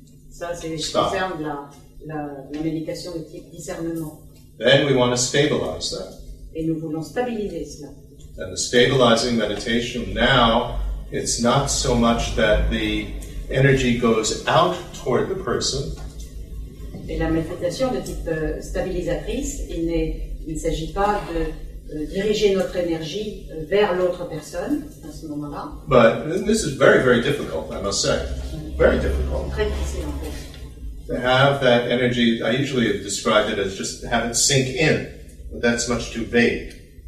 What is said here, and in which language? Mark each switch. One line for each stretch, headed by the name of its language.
French: Ça, c'est ce qui concerne la méditation de type discernement.
English: Then we want to stabilize that.
French: Et nous voulons stabiliser cela.
English: And the stabilizing meditation now, it's not so much that the energy goes out toward the person.
French: Et la méditation de type stabilisatrice, il ne s'agit pas de diriger notre énergie vers l'autre personne à ce moment-là.
English: But this is very, very difficult, I must say. Very difficult.
French: Très difficile, en fait.
English: To have that energy, I usually have described it as just have it sink in, but that's much too vague.